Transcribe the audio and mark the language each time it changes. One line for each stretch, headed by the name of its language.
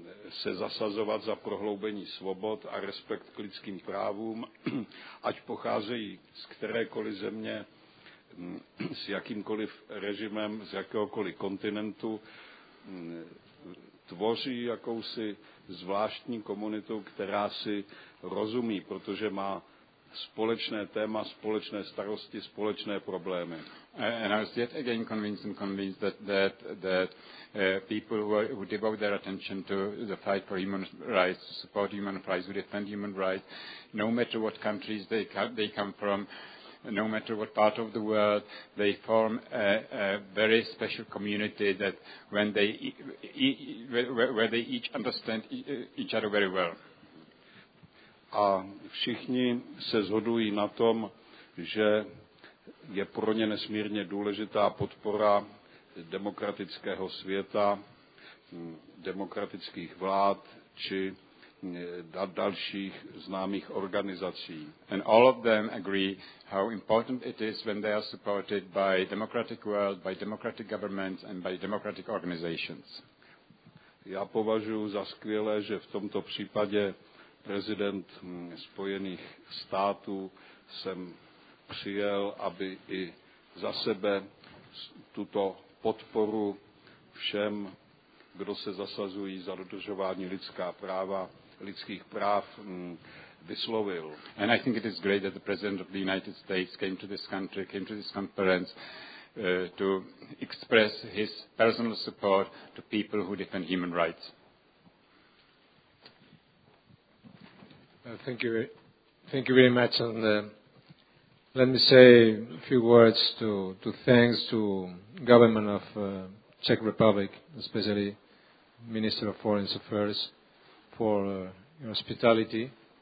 Czech: se zasazovat za prohloubení svobod a respekt k lidským právům, ať pocházejí z kterékoliv země, s jakýmkoliv režimem, z jakéhokoliv kontinentu, tvoří jakousi zvláštní komunitu, která si rozumí, protože má společné téma, společné starosti, společné problémy.
English: And I was yet again convinced that people who devote their attention to the fight for human rights, to support human rights, who defend human rights, no matter what countries they come from, no matter what part of the world, they form a very special community that when they where they each understand each other very well.
Czech: A všichni se shodují na tom, že je pro ně nesmírně důležitá podpora demokratického světa, demokratických vlád či dalších známých organizací.
English: And all of them agree how important it is when they are supported by democratic world, by democratic governments and by democratic organizations.
Czech: Já považuji za skvělé, že v tomto případě prezident Spojených států jsem přijel, aby i za sebe tuto podporu všem, kdo se zasazují za dodržování lidských práv, vyslovil.
English: And I think it is great that the president of the United States came to this conference to express his personal support to people who defend human rights. Thank you very much, and let me say a few words to thanks to government of Czech Republic, especially Minister of Foreign Affairs, for your hospitality.